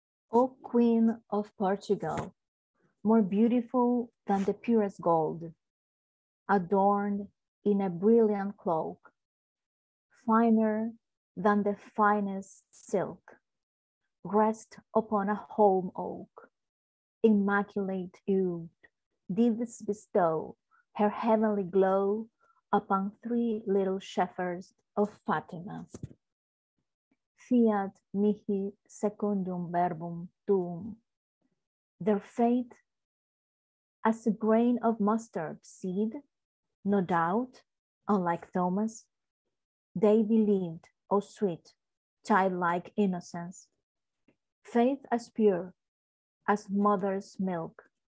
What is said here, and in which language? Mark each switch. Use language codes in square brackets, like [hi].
[en] O Queen of Portugal, more beautiful than the purest gold, adorned in a brilliant cloak, finer than the finest silk, rest upon a holm oak, immaculate youth, did this bestow her heavenly glow upon three little shepherds of Fatima. [la] Fiat mihi secundum verbum tuum. [en] Their faith, as a grain of mustard seed, no doubt, unlike Thomas, they believed, O sweet, childlike innocence. Faith as pure as mother's milk.